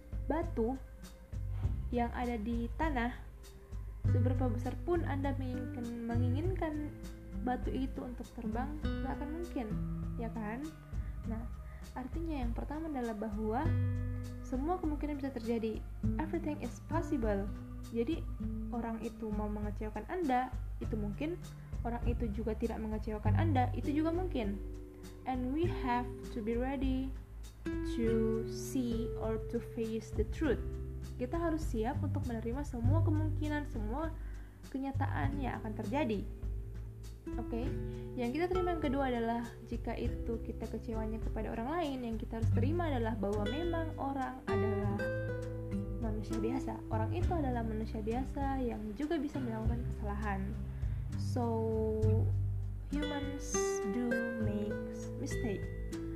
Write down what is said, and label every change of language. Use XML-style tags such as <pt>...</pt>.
<id>Batu yang ada di tanah, seberapa besar pun Anda menginginkan batu itu untuk terbang, gak akan mungkin, ya kan? Nah, artinya yang pertama adalah bahwa semua kemungkinan bisa terjadi,</id> <en>everything is possible.</en> <id>Jadi orang itu mau mengecewakan Anda, itu mungkin. Orang itu juga tidak mengecewakan Anda, itu juga mungkin.</id> <en>And we have to be ready to see or to face the truth.</en> <id>Kita harus siap untuk menerima semua kemungkinan, semua kenyataan yang akan terjadi. Oke, yang kita terima yang kedua adalah jika itu kita kecewanya kepada orang lain, yang kita harus terima adalah bahwa memang orang adalah manusia biasa. Orang itu adalah manusia biasa yang juga bisa melakukan kesalahan.</id> <en>So, humans do make mistakes.</en>